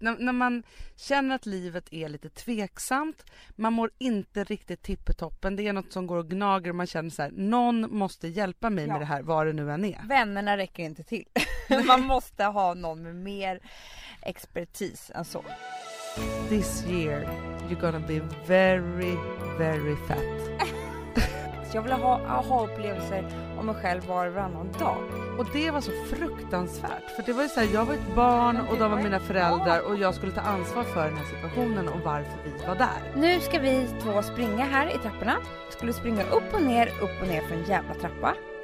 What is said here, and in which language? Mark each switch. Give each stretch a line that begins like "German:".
Swedish: När man känner att livet är lite tveksamt, man mår inte riktigt tippetoppen, det är något som går och gnager och man känner så här, någon måste hjälpa mig med det här, var det nu än är. Vännerna räcker inte till. Man måste ha någon med mer expertis än så.
English: This year you're gonna be very, very fat.
Swedish: Jag vill ha aha-upplevelser om mig själv var och varannan dag. Och det var så fruktansvärt. För det var ju så här, jag var ett barn och de var mina föräldrar. Och jag skulle ta ansvar för den här situationen och varför vi var där. Nu ska vi två springa här i trapporna. Skulle springa upp och ner för en jävla trappa.